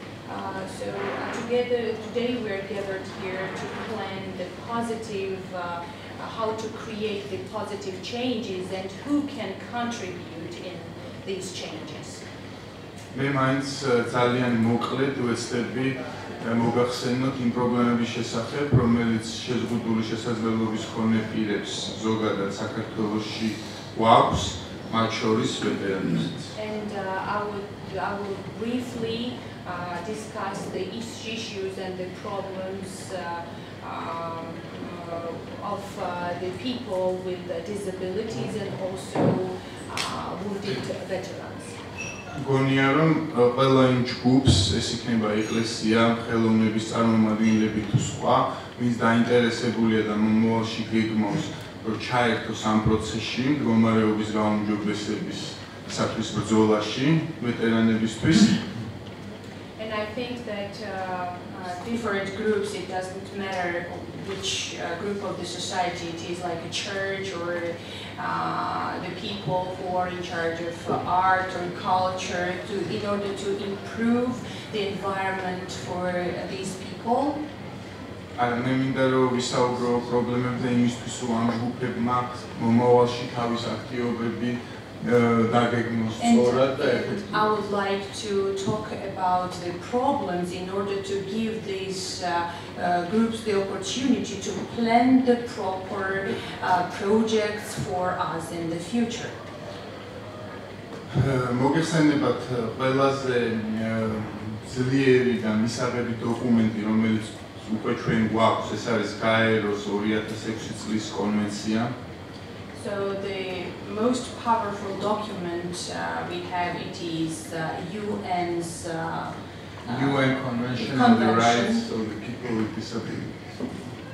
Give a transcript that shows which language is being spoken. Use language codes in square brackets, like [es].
[en] So today we are gathered here to plan the positive how to create the positive changes and who can contribute in these changes. [ka] მე მაინც ძალიან მოკლედ ვეცდები მოგახსენოთ იმ პრობლემების შესახებ, რომელიც შეზღუდული შესაძლებლობის მქონე პირებს ზოგადად საქართველოში აქვს, მათ შორის ვეტერანებსაც. [en] And I will briefly discuss the issues and the problems of the people with disabilities and also wounded veterans. [ka] გონია რომ ყველა იმ ჯგუფს, ეს იქნება ეკლესია, ხელოვნების წარმომადგენლები თუ სხვა, ვინც დაინტერესებულია და მომავალში გეგმავს, რომ ჩაერთოს ამ პროცესში, მდგომარეობის გაუმჯობესების საქმის ბრძოლაში ვეტერანებისთვის. [en] And I think that different groups, it doesn't matter which group of the society it is, like a church or the people who are in charge of art or culture, to in order to improve the environment for these people. [ka] არა, მე მინდა რომ ვისაუბრო პრობლემებზე იმისთვის, რომ ამ ჯგუფებმა მომავალში თავის აქტივობები დაგეგმოს სწორად და ეფექტურად. [en] I would like to talk about the problems in order to give these groups the opportunity to plan the proper projects for us in the future. [ka] მოგესალმებათ ყველაზე ძლიერი და მისაღები დოკუმენტი რომელიც უკვე ჩვენ გვაქვს ეს არის გაეროს 2006 წლის კონვენცია. [en] So the most powerful document we have it is UN's UN Convention on the Rights of the People with Disabilities.